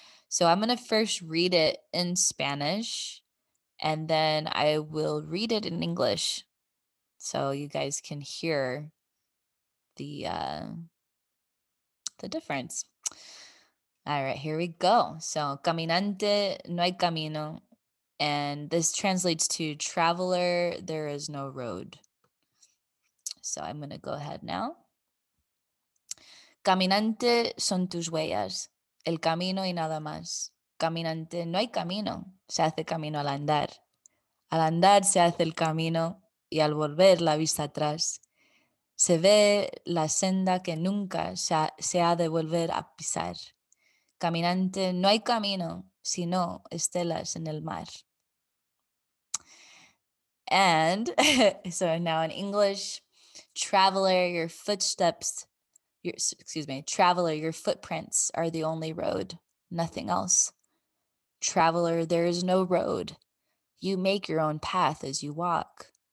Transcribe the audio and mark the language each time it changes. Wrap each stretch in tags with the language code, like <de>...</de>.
<en>So I'm going to first read it in Spanish and then I will read it in English so you guys can hear the difference. All right, here we go. So,</en> <es>caminante, no hay camino.</es> <en>And this translates to traveler, there is no road. So I'm going to go ahead now.</en> <es>Caminante son tus huellas, el camino y nada más. Caminante, no hay camino, se hace camino al andar. Al andar se hace el camino y al volver la vista atrás. Se ve la senda que nunca se ha de volver a pisar. Caminante, no hay camino, sino estelas en el mar.</es> <en>And so now in English, traveler, your footprints are the only road, nothing else. Traveler, there is no road. You make your own path as you walk.</en>